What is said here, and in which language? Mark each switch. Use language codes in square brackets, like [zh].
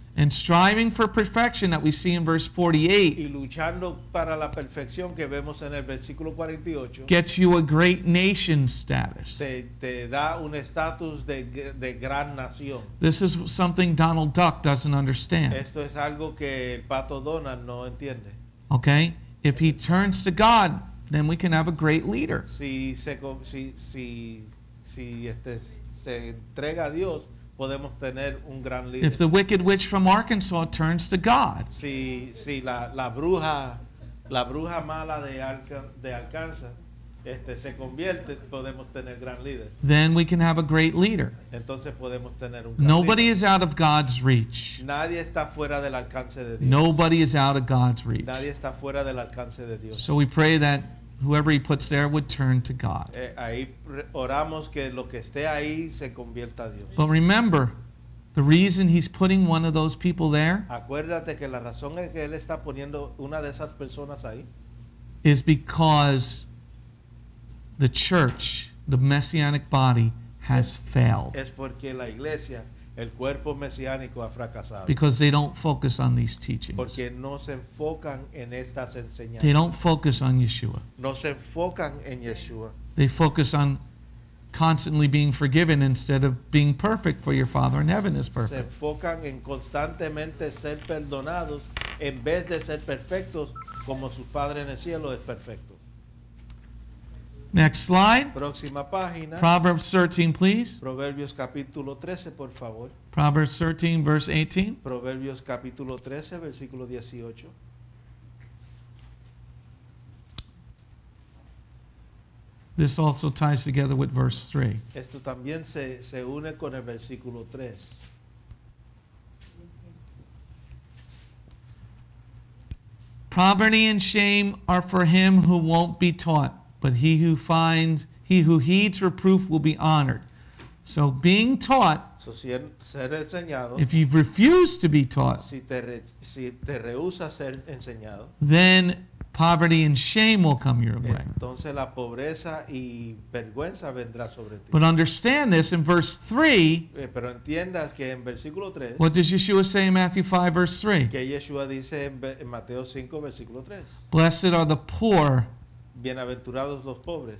[en] And striving for perfection that we see in verse 48, [es] y luchando para la perfección que vemos en el versículo 48, [en] gets you a great nation status. [es] Te da un estatus de gran nación. [en] This is something Donald Duck doesn't understand. [es] Esto es algo que el Pato Donald no entiende. [en] Okay? If he turns to God, then we can have a great leader. [es] Si se entrega a Dios, podemos tener un gran líder. [en] If the wicked witch from Arkansas turns to God, [es] si la bruja mala de Arkansas se convierte, podemos tener gran líder. [en] Then we can have a great leader. [es] Entonces podemos tener un [en] gran Nobody leader. Is out of God's reach. [es] Nadie está fuera del alcance de Dios. [en] Nobody is out of God's reach. [es] Nadie está fuera del alcance de Dios. [en] So we pray that whoever he puts there would turn to God. But remember, the reason he's putting one of those people there, [es] acuérdate que la razón es que él está poniendo una de esas personas ahí, [en] is because the church, the messianic body, has failed. [es] Es porque la iglesia, el cuerpo mesiánico, ha fracasado. [en] Because they don't focus on these teachings. [es] Porque no se enfocan en estas enseñanzas. [en] They don't focus on Yeshua. [es] No se enfocan en Yeshua. [en] They focus on constantly being forgiven instead of being perfect, for your Father in heaven is perfect. [es] Se enfocan en constantemente ser perdonados en vez de ser perfectos como su Padre en el cielo es perfecto. [en] Next slide. [es] Próxima página. [en] Proverbs 13, please. [es] Proverbios capítulo 13, por favor. [en] Proverbs 13, verse 18. [es] Proverbios capítulo 13, versículo 18. [en] This also ties together with verse 3. [es] Esto también se une con el versículo 3. [en] Poverty and shame are for him who won't be taught, but he who heeds reproof will be honored. So being taught, [es] ser enseñado, [en] if you've refused to be taught, [es] si te rehúsa ser enseñado, [en] then poverty and shame will come your way. [es] Entonces la pobreza y vergüenza vendrá sobre ti. [en] But understand this in verse 3. [es] Pero entiendas que en versículo 3. [en] What does Yeshua say in Matthew 5, verse 3? [es] Que Yeshua dice en Mateo 5, versículo 3. [en] Blessed are the poor. [es] Bienaventurados los pobres.